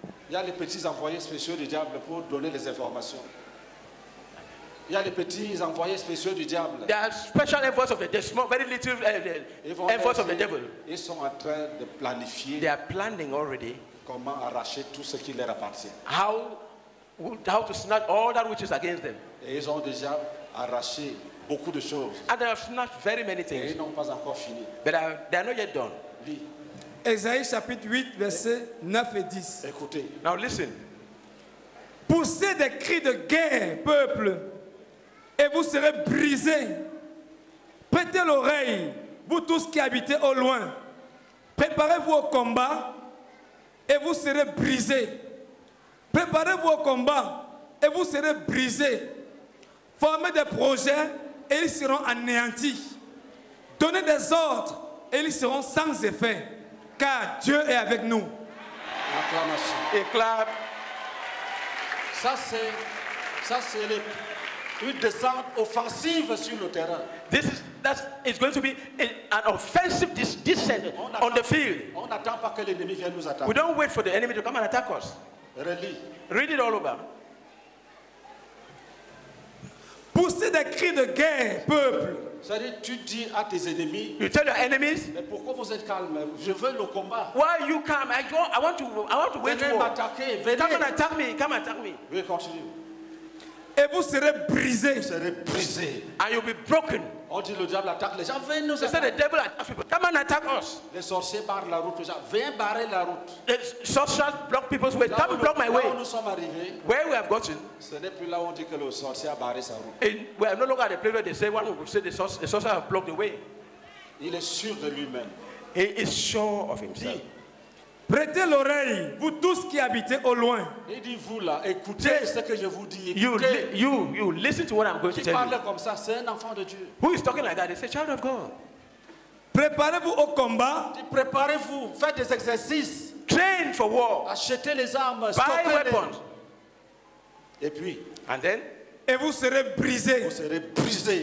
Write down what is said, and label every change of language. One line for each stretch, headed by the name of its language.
French: Il y a les petits envoyés spéciaux du diable pour donner les informations. Il y a les petits envoyés spéciaux du diable.
English: There are special envoys of the small, very little envoys of the devil.
French: Ils sont en train de planifier.
English: They are planning already.
French: Comment arracher tout ce qui leur appartient?
English: How to snatch all that which is against them?
French: Et ils ont déjà arraché beaucoup de choses.
English: And they have snatched very many things.
French: Et ils n'ont pas encore fini.
English: But they are not yet done.
French: Oui. Esaïe chapitre 8 verset 9 et 10. Écoutez.
English: Now listen.
French: Poussez des cris de guerre, peuple, et vous serez brisés. Prêtez l'oreille, vous tous qui habitez au loin. Préparez-vous au combat. Et vous serez brisés. Préparez-vous au combat. Et vous serez brisés. Formez des projets. Et ils seront anéantis. Donnez des ordres. Et ils seront sans effet. Car Dieu est avec nous. Acclamation. Éclat. Ça c'est une descente offensive sur le terrain.
English: It's going to be an offensive descent on the field.
French: On n'attend pas que l'ennemi vienne nous attaquer.
English: We don't wait for the enemy to come and attack us. Really? Read it all over.
French: Poussez des cris de guerre, peuple. C'est-à-dire, tu dis à tes ennemis.
English: You tell your enemies.
French: Mais pourquoi vous êtes calme? Je veux le combat.
English: Why are you calm? I want to wait for.
French: Venez m'attaquer. Venez.
English: Come and attack me.
French: Oui, continue. Et vous serez brisés. Vous serez brisés.
English: And you'll be broken.
French: On dit le diable attaque les gens. Venez nous
English: attaquer. The devil attacks people. Come and attack us.
French: Les sorciers barrent la route. Les gens. Viens barrer la route.
English: The sorcerers block people's way. Come and block my way.
French: Là où nous sommes arrivés.
English: Where we have gotten.
French: Ce n'est plus là où on dit que le sorcier a barré sa route.
English: And we are no longer at the place where they say, one will say the sorcerer have blocked the way.
French: Il est sûr de lui-même.
English: He is sure of himself.
French: Prêtez l'oreille, vous tous qui habitez au loin. Il dit vous là, écoutez ce que je vous dis.
English: You listen to what I'm going to tell you.
French: Qui parle comme ça, c'est un enfant de Dieu.
English: Who is talking like that? It's a child of God.
French: Préparez-vous au combat. Préparez-vous, faites des exercices.
English: Train for war.
French: Achetez les armes.
English: Buy weapons.
French: Et puis,
English: and then,
French: et vous serez brisés. Vous serez brisés.